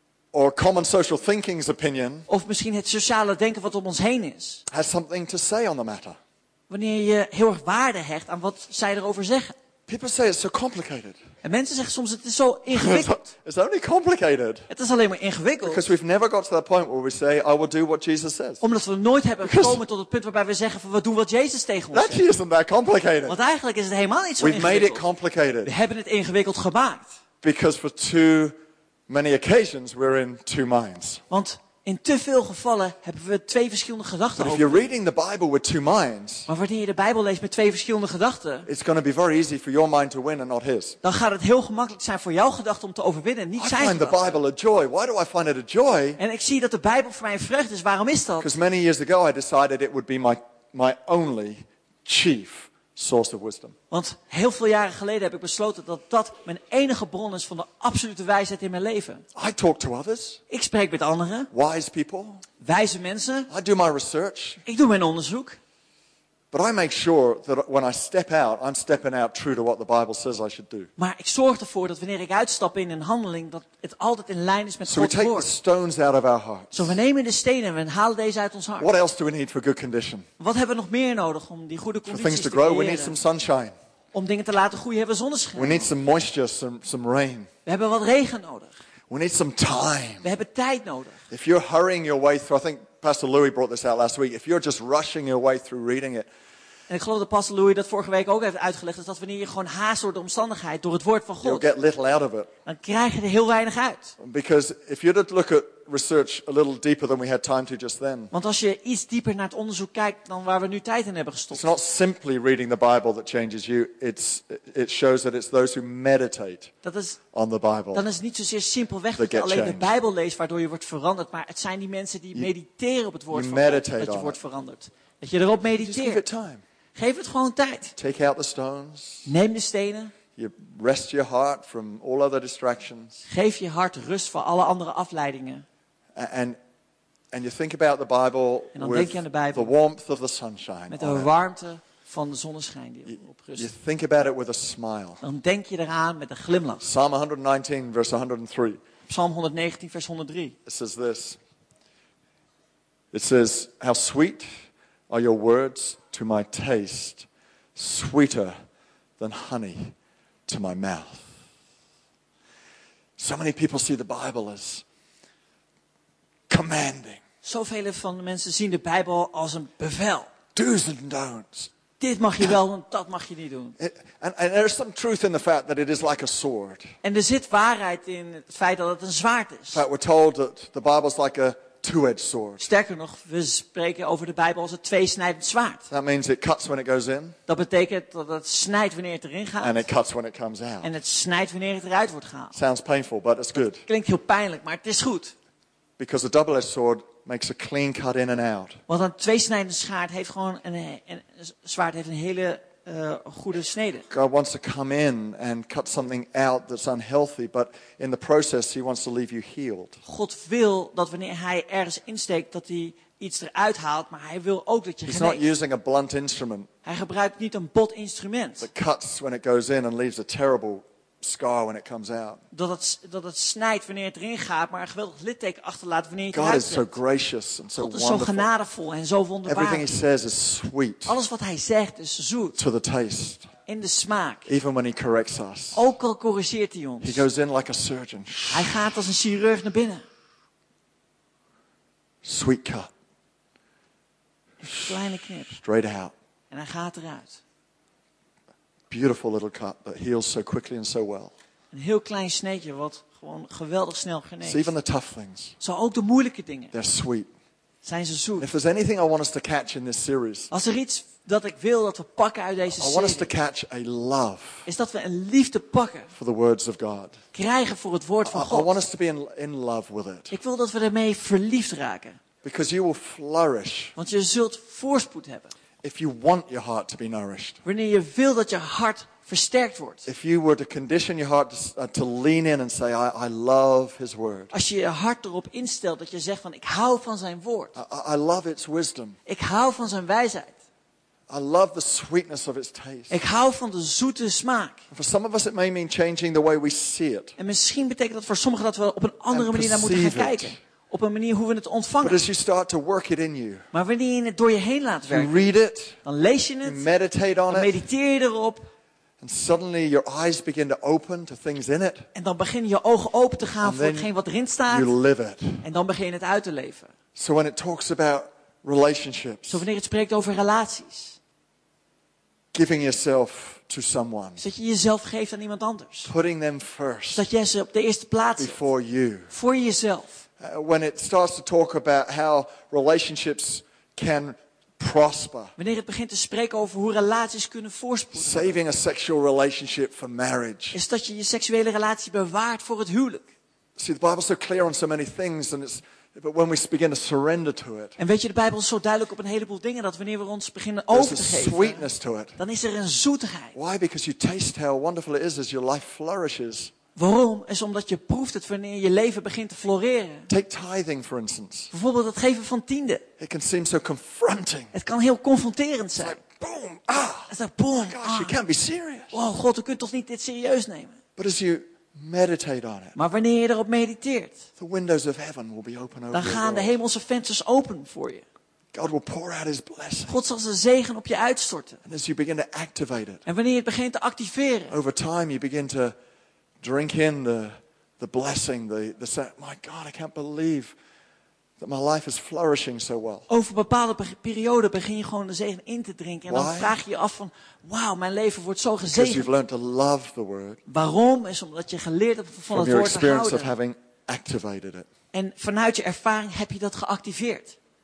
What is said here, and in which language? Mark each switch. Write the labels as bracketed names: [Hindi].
[English] or common social thinking's opinion, [Dutch] of misschien het sociale denken wat om ons heen is, [English] has something to say on the matter. [Dutch] Wanneer je heel erg waarde hecht aan wat zij erover zeggen. [English] People say it's so complicated. [Dutch] En mensen zeggen soms het is zo ingewikkeld. [English] It's only complicated. [Dutch] Het is alleen maar ingewikkeld. [English] Because we've never got to that point where we say I will do what Jesus says. [Dutch] Omdat we nooit hebben gekomen tot het punt waarbij we zeggen van we doen wat Jezus tegen ons zegt. [English] That isn't that complicated. [Dutch] Want eigenlijk is het helemaal niet zo [English] we've [Dutch] ingewikkeld. [English] We've made it complicated. [Dutch] We hebben het ingewikkeld gemaakt. [English] Because for too many occasions we're in two minds. [Dutch] Want in te veel gevallen hebben we twee verschillende gedachten over. [English] But if you're reading the Bible with two minds, [Dutch] maar wanneer je de Bijbel leest met twee verschillende gedachten, [English] it's going to be very easy for your mind to win and not his. [Dutch] Dan gaat het heel gemakkelijk zijn voor jouw gedachten om te overwinnen, niet [English] I [Dutch] zijn. [English] I find the Bible a joy. Why do I find it a joy? [Dutch] En ik zie dat de Bijbel voor mij een vreugde is. Waarom is dat? [English] Because many years ago I decided it would be my only chief source of wisdom. [Dutch] Want heel veel jaren geleden heb ik besloten dat dat mijn enige bron is van de absolute wijsheid in mijn leven. [English] I talk to others. [Dutch] Ik spreek met anderen. [English] Wise people. [Dutch] Wijze mensen. [English] I do my research. [Dutch] Ik doe mijn onderzoek. [English] But I make sure that when I step out, I'm stepping out true to what the Bible says I should do. [Dutch] Maar ik zorg ervoor dat wanneer ik uitstap in een handeling, dat het altijd in lijn is met [English] God's So we take the stones out of our hearts. [Dutch] Zo we nemen de stenen en we halen deze uit ons hart. [English] What else do we need for good condition? [Dutch] Wat hebben we nog meer nodig om die goede conditie te [English] For things to grow, we need some sunshine. [Dutch] Om dingen te laten groeien hebben we zonneschijn. [English] We need some moisture, some rain. [Dutch] We hebben wat regen nodig. [English] We need some time. [Dutch] We hebben tijd nodig. [English] If you're hurrying your way through, I think Pastor Louis brought this out last week. If you're just rushing your way through reading it. [Dutch] En ik geloof dat Pastor Louis dat vorige week ook heeft uitgelegd. Dat wanneer je gewoon haast door de omstandigheid, door het woord van God. [English] You'll get little out of it. [Dutch] Dan krijg je er heel weinig uit. [English] Because if you did look at research a little deeper than we had time to just then. [Dutch] Want als je iets dieper naar het onderzoek kijkt dan waar we nu tijd in hebben gestopt. [English] It's not simply reading the Bible that changes you. It shows that it's those who meditate on the Bible. [Dutch] Dan is het niet zozeer simpelweg dat je alleen de Bijbel leest waardoor je wordt veranderd. Maar het zijn die mensen die mediteren op het woord van God dat je wordt veranderd. Dat je erop mediteert. [English] Give it time. [Dutch] Geef het gewoon tijd. [English] Take out the stones. [Dutch] Neem de stenen. [English] You rest your heart from all other distractions. [Dutch] Geef je hart rust voor alle andere afleidingen. [English] And you think about the Bible. [Dutch] En dan denk je aan de Bijbel. [English] The warmth of the sunshine. [Dutch] Met de warmte van de zonneschijn die op rust. [English] You think about it with a smile. [Dutch] Dan denk je eraan met een glimlach. [English] Psalm 119 verse 103. [Dutch] Psalm 119 vers 103. [English] It says this. It says, how sweet are your words to my taste, sweeter than honey to my mouth. So many people see the Bible as commanding. [Dutch] Zoveel van de mensen zien de Bijbel als een bevel. [English] Do's and don'ts. [Dutch] Dit mag je wel, dat mag je niet doen. [English] And there's some truth in the fact that it is like a sword. [Dutch] En er zit waarheid in het feit dat het een zwaard is. [English] That we're told that the Bible is like a two-edged sword. [Dutch] Sterker nog, we spreken over de Bijbel als een tweesnijdend zwaard. [English] That means it cuts when it goes in. [Dutch] Dat betekent dat het snijdt wanneer het erin gaat. [English] And it cuts when it comes out. [Dutch] En het snijdt wanneer het eruit wordt gehaald. [English] Sounds painful, but it's good. [Dutch] Dat klinkt heel pijnlijk, maar het is goed. [English] Because a double-edged sword makes a clean cut in and out. [Dutch] Want een tweesnijdend zwaard heeft gewoon een hele goede snede. [English] God wants to come in and cut something out that's unhealthy, but in the process he wants to leave you healed. [Dutch] God wil dat wanneer hij ergens insteekt dat hij iets eruit haalt, maar hij wil ook dat je geneest. [English] He's not using a blunt instrument. [Dutch] Hij gebruikt niet een bot instrument. [English] It cuts when it goes in and leaves a terrible scar when it comes out. [Dutch] Dat het snijdt wanneer het erin gaat, maar een geweldig litteken achterlaat wanneer het [English] God [Dutch] eruit [English] is so gracious and so God is wonderful. [Dutch] Zo genadevol en zo wonderbaar. [English] Everything he says is sweet. [Dutch] Alles wat hij zegt is zoet. [English] To the taste. [Dutch] In de smaak. [English] Even when he corrects us. [Dutch] Ook al corrigeert hij ons. [English] He goes in like a surgeon. [Dutch] Hij gaat als een chirurg naar binnen. [English] Sweet cut. [Dutch] Een kleine knip. [English] Straight out. [Dutch] En hij gaat eruit. [English] Beautiful little cut that heals so quickly and so well. [Dutch] Een heel klein sneetje wat gewoon geweldig snel geneest. [English] So even the tough things. [Dutch] Zo ook de moeilijke dingen. [English] They're sweet. [Dutch] Zijn ze zoet. [English] If there's anything I want us to catch in this series. [Dutch] Als er iets dat ik wil dat we pakken uit deze serie. [English] I want us to catch a love. [Dutch] Is dat we een liefde pakken. [English] For the words of God. [Dutch] Krijgen voor het woord van God. [English] I want us to be in love with it. [Dutch] Ik wil dat we ermee verliefd raken. [English] Because you will flourish. [Dutch] Want je zult voorspoed hebben. [English] If you want your heart to be nourished. [Dutch] Wanneer je wil dat je hart versterkt wordt. [English] If you were to condition your heart to lean in and say I love his word. [Dutch] Als je je hart erop instelt dat je zegt van ik hou van zijn woord. [English] I love its wisdom. [Dutch] Ik hou van zijn wijsheid. [English] I love the sweetness of its taste. [Dutch] Ik hou van de zoete smaak. [English] And for some of us it may mean changing the way we see it. [Dutch] En misschien betekent dat voor sommigen dat we op een andere manier naar moeten gaan kijken. Op een manier hoe we het ontvangen. [English] But as you start to work it in you, [Dutch] maar wanneer je het door je heen laat werken. [English] You read it, [Dutch] dan lees je het. [English] You meditate on [Dutch] dan mediteer je erop. [English] And suddenly your eyes begin to open to things in it. [Dutch] En dan beginnen je ogen open te gaan [English] and [Dutch] voor hetgeen wat erin staat. [English] You live it. [Dutch] En dan begin je het uit te leven. [English] So when it talks about relationships, [Dutch] zo wanneer het spreekt over relaties. [English] Giving yourself to someone. [Dutch] Dat je jezelf geeft aan iemand anders. [English] Putting them first. [Dutch] Dat jij ze op de eerste plaats zet. [English] Before you. [Dutch] Voor jezelf. [English] When it starts to talk about how relationships can prosper. [Dutch] Wanneer het begint te spreken over hoe relaties kunnen voorspoeden. [English] Saving a sexual relationship for marriage. [Dutch] Is dat je je seksuele relatie bewaart voor het huwelijk. [English] See, the Bible's so clear on so many things and it's. But when we begin to surrender to it, [Dutch] en weet je, de Bijbel is zo duidelijk op een heleboel dingen dat wanneer we ons beginnen over te geven, [English] there's a sweetness to it. [Dutch] Dan is er een zoetigheid. [English] Why? Because you taste how wonderful it is as your life flourishes. [Dutch] Waarom? Is omdat je proeft het wanneer je leven begint te floreren. [English] Take tithing, for instance. [Dutch] Bijvoorbeeld het geven van tiende. [English] It can seem so confronting. [Dutch] Het kan heel confronterend zijn. [English] It's like, boom, ah. It's like, boom, gosh, ah. You can't be serious. [Dutch] Wow, God, je kunt toch niet dit serieus nemen? [English] But as you meditate on it. [Dutch] Maar wanneer je erop mediteert. [English] The windows of heaven will be open over [Dutch] dan gaan de hemelse vensters open voor je. [English] God, will pour out his blessing. [Dutch] God zal zijn zegen op je uitstorten. [English] And as you begin to activate it, [Dutch] en wanneer je het begint te activeren. [English] Over time you begin to drink in the blessing. My God, I can't believe that my life is flourishing so well. [Dutch] Over bepaalde perioden begin je gewoon de zegen in te drinken. En [English] why? [Dutch] Dan vraag je je af van, wauw, mijn leven wordt zo gezegend. [English] Because you've learned to love the word. [Dutch] Waarom? Is omdat je geleerd hebt van het woord te houden. [English] From your experience of having activated it. [Dutch] En vanuit je ervaring heb je dat geactiveerd.